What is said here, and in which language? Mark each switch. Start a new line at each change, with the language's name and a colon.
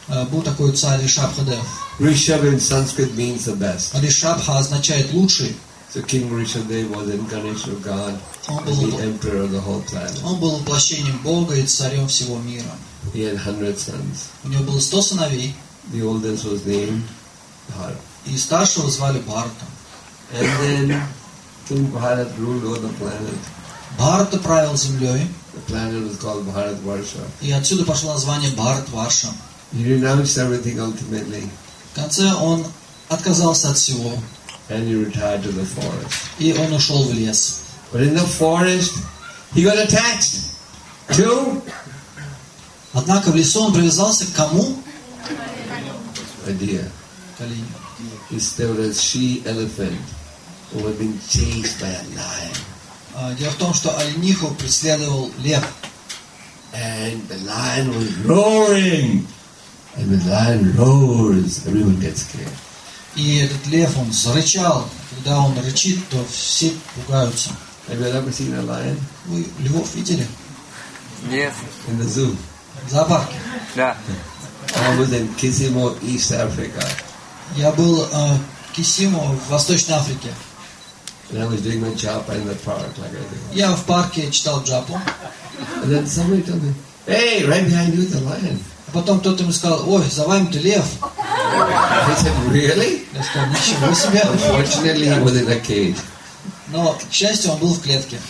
Russian: Был такой царь Ришабхадев.
English: Rishab in Sanskrit means the best.
Russian: Ришабха означает лучший.
English: So King Rishabdev was the incarnation of God, the emperor of the whole planet.
Russian: Он был воплощением Бога и царем всего мира.
English: He had 100 sons.
Russian: У него было 100 сыновей.
English: The oldest was named Bharata.
Russian: И старшего звали Бхарата.
English: And then King Bharata ruled over the planet.
Russian: Bharata правил землей.
English: The planet was called Bharat Varsha.
Russian: И отсюда пошло название Bharat Varsha.
English: He renounced everything ultimately.
Russian: В конце он отказался от всего.
English: And he retired to the forest.
Russian: И он ушел в лес.
English: But in the forest, he got attached to.
Russian: Однако в лесу он привязался к кому?
English: A deer.
Russian: Колени.
English: He still was a she elephant who had been chased by a lion.
Russian: Дело в том, что олениху преследовал лев.
English: And the lion was roaring. And the lion roars, everyone gets scared.
Russian: И этот лев, он зарычал. Когда он рычит, то все пугаются.
English: Have you ever seen a lion?
Russian: Вы львов видели? Нет.
English: In the zoo?
Russian: В зоопарке? Да.
English: I was in Kisimo, East Africa.
Russian: Я был в Кисимо, в Восточной Африке.
English: And I was doing my japa in the park, like I do.
Russian: Я в парке читал джапу.
English: And then somebody told me, "Hey, right behind you is a lion."
Russian: А потом кто-то ему сказал, "Ой, за вами ты лев."
English: I said, "Really?"
Russian: Я сказал, "Ничего себе."
English: Unfortunately, he was in a cage.
Russian: Но, к счастью, он был в клетке.